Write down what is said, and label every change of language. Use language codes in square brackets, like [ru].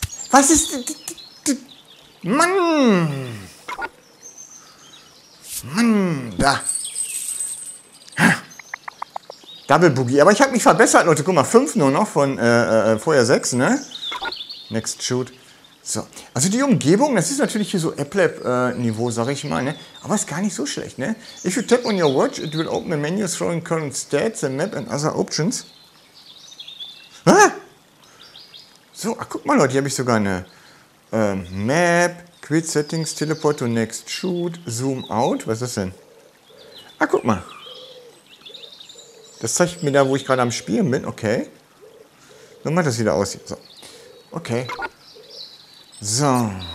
[de] Was ist... Mann! Mann! da. Double Boogie. Aber ich habe mich verbessert, Leute. Guck mal, 5 nur noch von vorher 6, ne? Next Shoot. So. Also die Umgebung, das ist natürlich hier so App-Lab-Niveau, sag ich mal, ne? Aber ist gar nicht so schlecht, ne? [en] If you tap on your watch, it will open the menus showing current stats, the map and other options. Hä? [de] So, ach, guck mal, Leute, hier habe ich sogar eine Map, Quit Settings, Teleport to Next Shoot, Zoom Out. Was ist das denn? Ah, guck mal. Das zeigt mir da, wo ich gerade am Spielen bin. Okay. So macht das wieder aus. So. Okay. So.